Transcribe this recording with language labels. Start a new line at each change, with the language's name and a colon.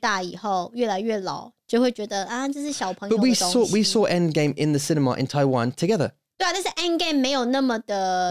Chinese: Yeah,所以你在你小的时候,就是你还是很爱Marvel,但是现在,我们年纪越来越大以后,越来越老,就会觉得,啊,这是小朋友的东西。
English: But we saw Endgame in the cinema in Taiwan together.
Chinese: 对啊,但是Endgame没有那么的...